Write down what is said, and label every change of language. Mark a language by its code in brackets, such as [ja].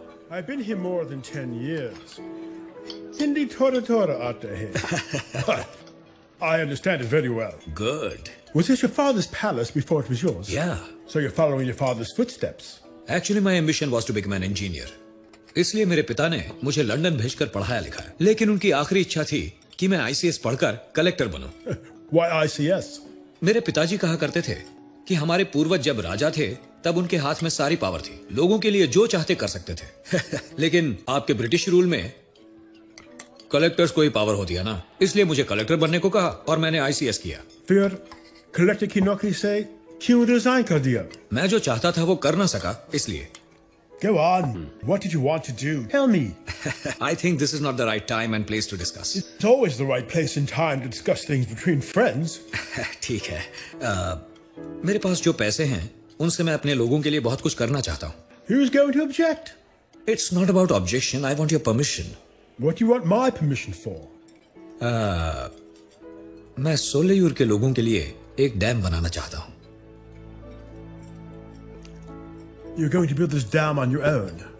[en] I've been here more than 10 years. [hi] Hindi tora tora aata hai. [en] I understand it very well. Good. Was this your father's palace before it was yours? Yeah. So you're following your father's footsteps? Actually, my ambition was to become an engineer. [hi] इसलिए मेरे पिता ने मुझे London भेजकर पढ़ाया लिखाया, लेकिन उनकी आखिरी इच्छा थी कि मैं ICS पढ़कर कलेक्टर बनूं। [en] Why ICS? [hi] मेरे पिताजी कहा करते थे कि हमारे पूर्वज जब राजा थे तब उनके हाथ में सारी पावर थी, लोगों के लिए जो चाहते कर सकते थे। लेकिन आपके ब्रिटिश रूल में कलेक्टर्स को ही पावर होती है ना, इसलिए मुझे कलेक्टर बनने को कहा और मैंने ICS किया। फिर कलेक्टर की नौकरी से क्यों रिजाइन कर दिया? मैं जो चाहता था वो कर ना सका, इसलिए। [en] Go on. What did you want to do? Tell me. I think this is not the right time and place to discuss. It's always the right place and time to discuss things between friends. [hi] ठीक है। मेरे पास जो पैसे हैं, उनसे मैं अपने लोगों के लिए बहुत कुछ करना चाहता हूँ। [en] Who's going to object? It's not about objection. I want your permission. What do you want my permission for? [hi] मैं सोलेयूर के लोगों के लिए एक डैम बनाना चाहता हूँ। [en] You're going to build this dam on your own?